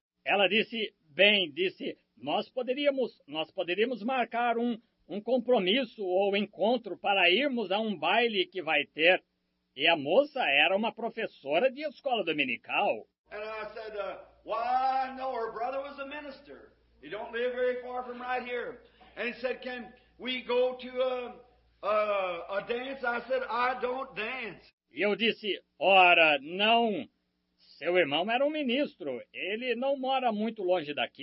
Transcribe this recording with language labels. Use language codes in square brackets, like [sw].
[pt] Ela disse, bem, disse, nós poderíamos marcar um compromisso ou encontro para irmos a um baile que vai ter. E a moça era uma professora de escola dominical. [en] And I said, why, no, her brother was a minister. He don't live very far from right here. And he said, can we go to a dance? I said, I don't dance. [pt] E eu disse, ora, não. Seu irmão era um ministro. Ele não mora muito longe daqui.